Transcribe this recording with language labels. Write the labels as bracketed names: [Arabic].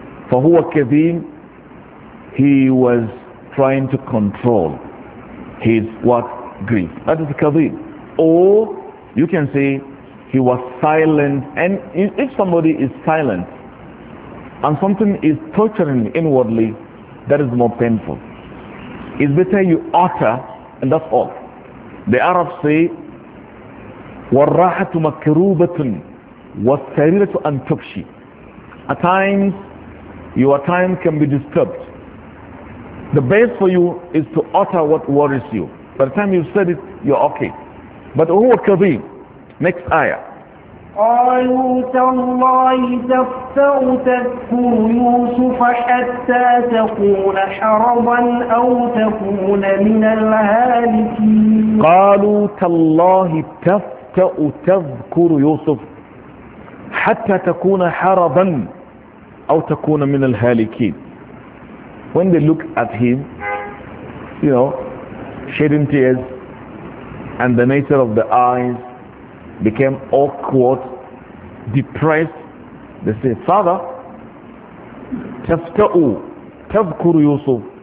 [English] For huwa kadhim, he was trying to control his what? Grief. That is kadhim. Or you can say he was silent. And if somebody is silent and something is torturing inwardly, that is more painful. It's better you utter, and that's all. The Arabs say, [Arabic] وَالرَّاحَةُ مَكْرُوبَةٌ وَالسَّرِيرَةُ أَنْ تُبْشِي. [English] At times, your time can be disturbed. The best for you is to utter what worries you. By the time you've said it, you're okay. But [Arabic] هو كذيب. [English] Next ayah. [Arabic] قالوا تالله تفتأ تذكر يوسف حتى تكون حربا أو تكون من الهالكين. قالوا تالله تفتأ تذكر يوسف حتى تكون حربا أو تكون من الهالكين. [English] When they look at him, you know, shedding tears, and the nature of the eyes became awkward, depressed, they say, Father, tafta'u, tafkur Yusuf.